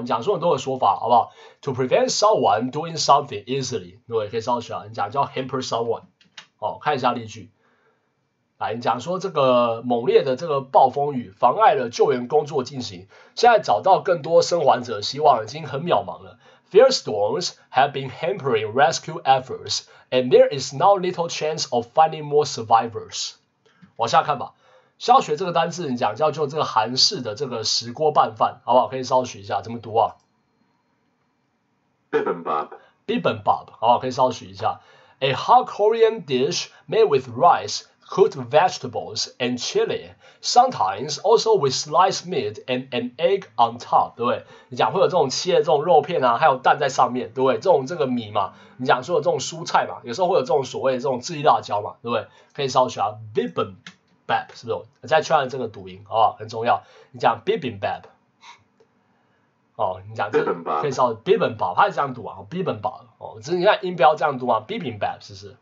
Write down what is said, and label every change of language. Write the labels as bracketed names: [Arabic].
[Chinese] 你讲说很多的说法，好不好 ？ [English] To prevent someone doing something easily， [Chinese] 对不对？可以稍微学啊。你讲叫 hamper someone， 哦，看一下例句。来，你讲说这个猛烈的这个暴风雨妨碍了救援工作进行，现在找到更多生还者希望已经很渺茫了。 [English] Fierce storms have been hampering rescue efforts, and there is now little chance of finding more survivors. [Chinese] 往下看吧，需要学这个单字，你讲叫做这个韩式的这个石锅拌饭，好不好？可以稍微学一下，怎么读啊 [English] ？Bibimbap， [Chinese] 好不好？可以稍微学一下。 [English] A hot Korean dish made with rice, cooked vegetables, and chili, sometimes also with sliced meat and an egg on top， [Chinese] 对不对？你讲会有这种切的这种肉片啊，还有蛋在上面，对不对？这种这个米嘛，你讲说有这种蔬菜嘛，有时候会有这种所谓的这种自制辣椒嘛，对不对？可以稍微学啊 ，bibimbap 是不是？再确认这个读音，好不好？很重要。你讲 bibimbap， 哦，你讲这可以稍微 bibimbap， 它是这样读啊 ，bibimbap， 哦，只是你看音标这样读啊 ，bibimbap 是不是？